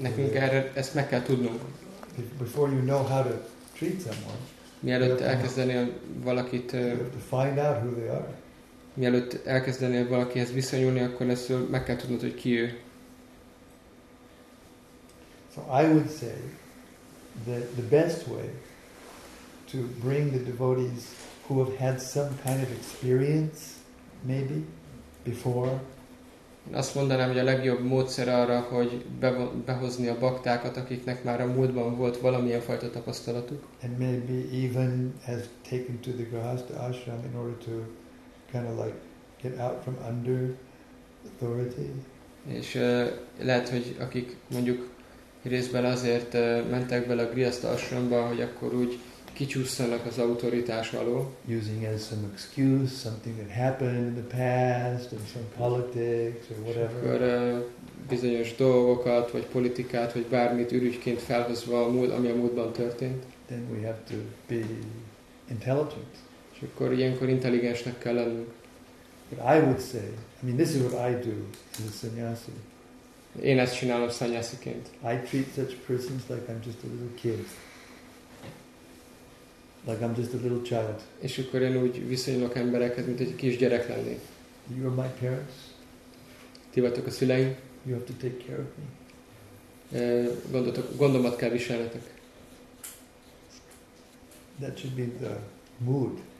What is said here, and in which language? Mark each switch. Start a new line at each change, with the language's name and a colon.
Hungarian: Nekünk erre ezt meg kell tudnunk.
English: Before you know how to treat someone.
Hungarian: Mielőtt elkezdenél valakit.
English: To find out who they are.
Hungarian: Mielőtt elkezdenél valakihez viszonyulni, akkor ezt meg kell tudnod, hogy ki ő.
English: So I would say that the best way to bring the devotees who have had some kind of experience, maybe, before.
Hungarian: Azt mondanám, hogy a legjobb módszer arra, hogy behozni a baktákat, akiknek már a múltban volt valamilyen fajta tapasztalatuk.
English: And maybe even has taken to the grihastha ashram in order to kind of like get out from under authority.
Hungarian: És lehet, hogy akik mondjuk részben azért mentek bele a grihastha ashramba, hogy akkor úgy kicsúszanak az autoritás alól.
English: Using as some excuse something that happened in the past and some politics or whatever.
Hungarian: Akkor bizonyos dolgokat vagy politikát vagy bármit ürügyként felhozva a múlt, ami a múltban történt.
English: Then we have to be intelligent.
Hungarian: És akkor ilyenkor intelligensnek kell lennünk.
English: But I would say, I mean, this is what I do as a sannyasi.
Hungarian: Én ezt csinálom sannyasiként.
English: I treat such persons like I'm just a little kid. Like I'm just a little child.
Hungarian: És akkor én úgy viszonylok embereket, mint egy kis gyerek lennék.
English: You are my parents.
Hungarian: Ti vagytok a szüleim.
English: You have to take care of me.
Hungarian: Gondomat kell viselnetek.
English: That should be the mood.